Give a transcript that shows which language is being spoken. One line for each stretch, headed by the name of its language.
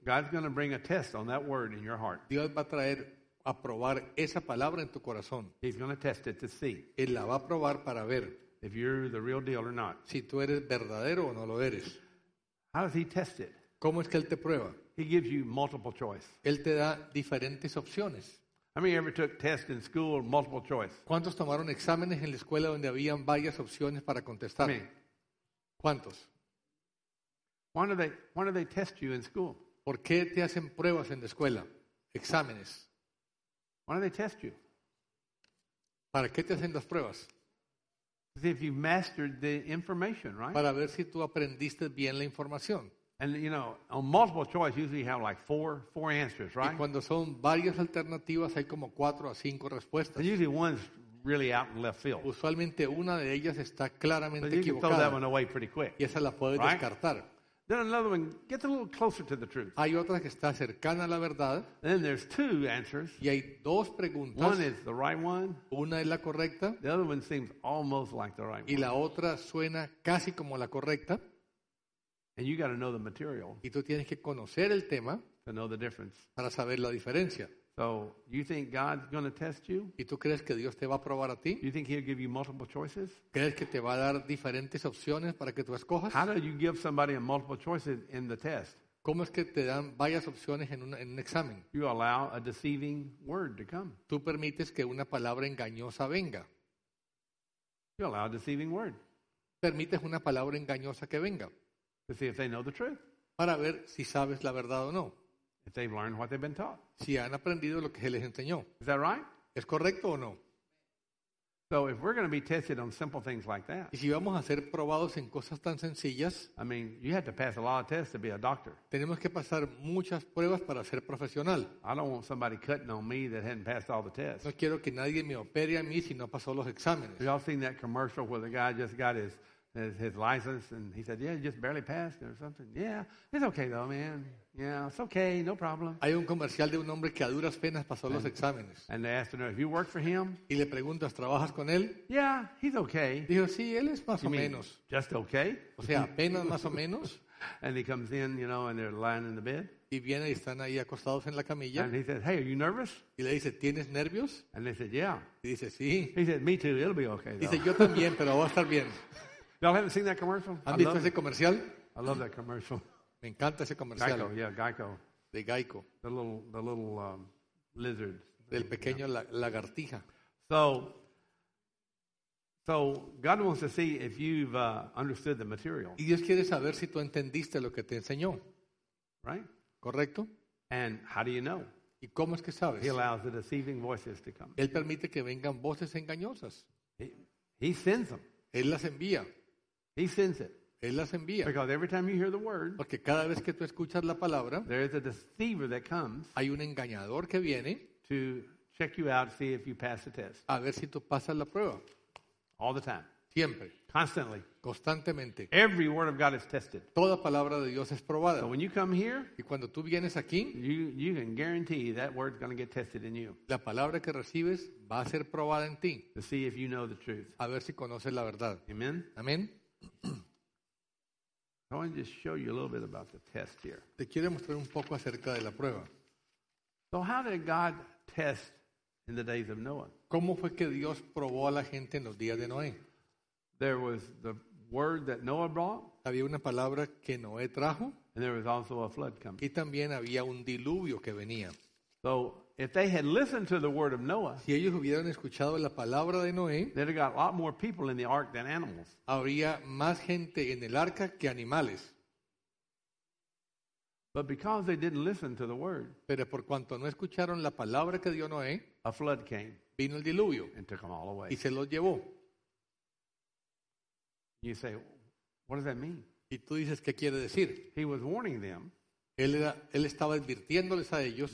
English: God's going to bring a test on that word in your heart.
Spanish: Dios va a traer a probar esa palabra en tu corazón.
English: He's going to test it to see.
Spanish: Él la va a probar para ver.
English: If you're the real deal or not.
Spanish: Si tú eres verdadero o no lo eres.
English: How does he test it?
Spanish: ¿Cómo es que Él te prueba?
English: He gives you multiple choice.
Spanish: Él te da diferentes opciones.
English: How many ever took tests in school or multiple choice?
Spanish: ¿Cuántos tomaron exámenes en la escuela donde habían varias opciones para contestar? ¿Cuántos?
English: Why do they test you in school?
Spanish: ¿Por qué te hacen pruebas en la escuela? Exámenes.
English: Why do they test you?
Spanish: ¿Para qué te hacen las pruebas?
English: To see if you mastered the information, right?
Spanish: Para ver si tú aprendiste bien la información.
English: And you know, on multiple choice, usually you have like four answers, right?
Spanish: Y cuando son varias alternativas, hay como cuatro a cinco respuestas.
English: And usually one's really out in left field.
Spanish: Usualmente una de ellas está claramente equivocada.
English: But you can throw that one away pretty quick.
Spanish: Y esa la puedes
English: right?
Spanish: descartar.
English: Then another one gets a little closer to the truth.
Spanish: Hay otra que está cercana a la verdad.
English: And then there's two answers.
Spanish: Y hay dos preguntas.
English: One is the right one.
Spanish: Una es la correcta.
English: The other one seems almost like the right
Spanish: y Y la otra suena casi como la correcta.
English: And you got to know the material.
Spanish: Y tú tienes que conocer el tema
English: to know the difference.
Spanish: Para saber la diferencia.
English: So you think God's going to test you?
Spanish: ¿Y tú crees que Dios te va a probar a ti?
English: You think He'll give you multiple choices?
Spanish: ¿Crees que te va a dar diferentes opciones para que tú escojas?
English: How do you give somebody a multiple choices in the test?
Spanish: ¿Cómo es que te dan varias opciones en un examen?
English: You allow a deceiving word to come.
Spanish: Tú permites que una palabra engañosa venga.
English: You allow a deceiving word.
Spanish: Permites una palabra engañosa que venga.
English: To see if they know the truth.
Spanish: Para ver si sabes la verdad o no.
English: If they've learned what they've been taught.
Spanish: Si han aprendido lo que se les enseñó.
English: Is that right?
Spanish: ¿Es correcto o no?
English: So if we're going to be tested on simple things like that.
Spanish: Y si vamos a ser probados en cosas tan sencillas.
English: I mean, you had to pass a lot of tests to be a doctor.
Spanish: Tenemos que pasar muchas pruebas para ser profesional.
English: I don't want somebody cutting on me that hadn't passed all the tests.
Spanish: No quiero que nadie me opere a mí si no pasó los exámenes.
English: Have you all seen that commercial where the guy just got his his license, and he said, "Yeah, you just barely passed or something." Yeah, it's okay though, man. Yeah, it's okay, no problem.
Spanish: Hay un comercial de un hombre que a duras penas pasó los exámenes.
English: And they asked him, "Have you worked for him?"
Spanish: Y le preguntas, ¿trabajas con él?
English: Yeah, he's okay.
Spanish: Dijo, sí, él es más o menos.
English: Just okay.
Spanish: O sea, apenas más o menos.
English: And he comes in, you know, and they're lying in the bed.
Spanish: Y viene y están ahí acostados en la camilla.
English: And he says, "Hey, are you nervous?"
Spanish: Y le dice, ¿tienes nervios?
English: And they said, "Yeah."
Spanish: Y dice, sí.
English: He said, "Me too. It'll be okay."
Spanish: Dice, yo también, pero va a estar bien.
English: Y'all haven't seen that commercial?
Spanish: ¿Han visto ese comercial?
English: I love that commercial.
Spanish: Me encanta ese comercial.
English: Geico, yeah, Geico.
Spanish: De Geico.
English: The little lizard.
Spanish: Del pequeño lagartija.
English: So God wants to see if you've understood the material.
Spanish: Y Dios quiere saber si tú entendiste lo que te enseñó.
English: Right?
Spanish: Correcto.
English: And how do you know?
Spanish: ¿Y cómo es que sabes?
English: He allows the deceiving voices to come.
Spanish: Él permite que vengan voces engañosas.
English: He sends them.
Spanish: Él las envía.
English: He sends it.
Spanish: Él las envía.
English: Because every time you hear the word,
Spanish: porque cada vez que tú escuchas la palabra,
English: there is a deceiver that comes.
Spanish: Hay un engañador que viene
English: to check you out, see if you pass the test.
Spanish: A ver si tú pasas la prueba.
English: All the time.
Spanish: Siempre.
English: Constantly.
Spanish: Constantemente.
English: Every word of God is tested.
Spanish: Toda palabra de Dios es probada.
English: So when you come here,
Spanish: y cuando tú vienes aquí,
English: you can guarantee that word's going to get tested in you.
Spanish: La palabra que recibes va a ser probada en ti.
English: To see if you know the truth.
Spanish: A ver si conoces la verdad.
English: Amen.
Spanish: Amén.
English: I want to just show you a little bit about the test here.
Spanish: Te quiero mostrar un poco acerca de la prueba.
English: So how did God test in the days of Noah?
Spanish: ¿Cómo fue que Dios probó a la gente en los días de Noé?
English: There was the word that Noah brought.
Spanish: Había una palabra que Noé trajo.
English: And there was also a flood coming.
Spanish: Y también había un diluvio que venía.
English: So if they had listened to the word of Noah,
Spanish: si ellos hubieran escuchado la palabra de Noé,
English: they'd have got a lot more people in the ark than animals.
Spanish: Habría más gente en el arca que animales.
English: But because they didn't listen to the word,
Spanish: pero por cuanto no escucharon la palabra que dio Noé,
English: a flood came.
Spanish: Vino el diluvio
English: and took them all away.
Spanish: Y se los llevó.
English: You say, what does that mean?
Spanish: Y tú dices, ¿qué quiere decir?
English: He was warning them.
Spanish: Él estaba advirtiéndoles a ellos